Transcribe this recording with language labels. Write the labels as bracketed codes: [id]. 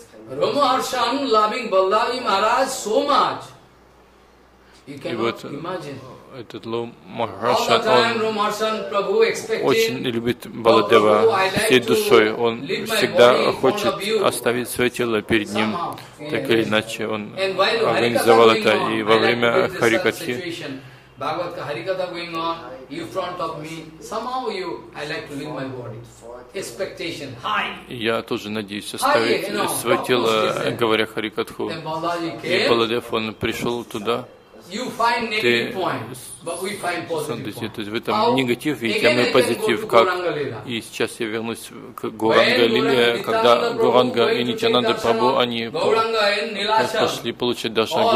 [en] Рома Харшан, loving Баллави Махарадж so much. You cannot [ru] вот, [en] imagine. [ru] Этот Лом Махарадж, он очень любит Баладева всей душой. Он всегда хочет оставить свое тело перед ним. Так или иначе, он организовал это. И во время Харикатхи, [en] Bhagavatka Harikatha going on, you front of me, somehow you, I like to leave my body. Expectation, high. [ru] Я тоже надеюсь оставить свое тело, говоря Харикатху. И Баладев, он пришел туда. [en] You find negative point, but we find positive point. [ru] То есть вы там негатив видите, а мы позитив. Как? И сейчас я вернусь к Гуранга Лиле, когда Гуранга и Нитянанда Прабху, они пошли получать даршан.